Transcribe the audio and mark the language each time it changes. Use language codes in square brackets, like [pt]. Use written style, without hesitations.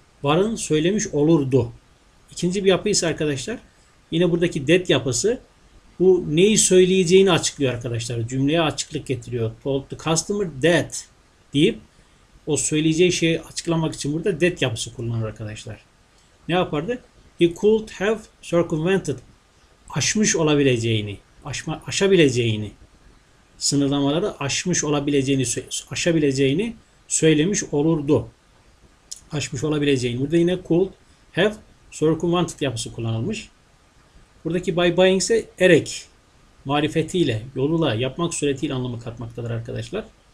[tr] Warren söylemiş olurdu. İkinci bir yapı ise arkadaşlar yine buradaki that yapısı. Bu neyi söyleyeceğini açıklıyor arkadaşlar. Cümleye açıklık getiriyor. [en] Told the customer that [tr] deyip o söyleyeceği şeyi açıklamak için burada that yapısı kullanır arkadaşlar. Ne yapardı? [en] He could have circumvented. [tr] Aşmış olabileceğini, aşabileceğini, sınırlamaları aşmış olabileceğini, aşabileceğini söylemiş olurdu. Aşmış olabileceğini. Burada yine [en] could have circumvented [tr] yapısı kullanılmış. Buradaki by buying ise erek, marifetiyle, yoluyla, yapmak suretiyle anlamı katmaktadır arkadaşlar.